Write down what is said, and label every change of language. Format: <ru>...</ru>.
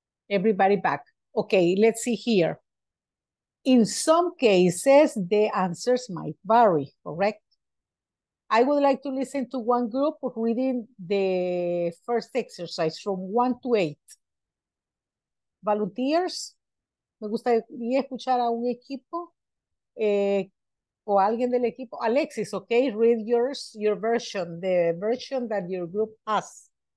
<en>Everybody back. Okay, let's see here. In some cases, the answers might vary, correct? I would like to listen to one group reading the first exercise from 1 to 8. Volunteers?</en> <es>Me gustaría escuchar a un equipo o alguien del equipo.</es> <en>Alexis, okay, read yours, your version, the version that your group has.</en>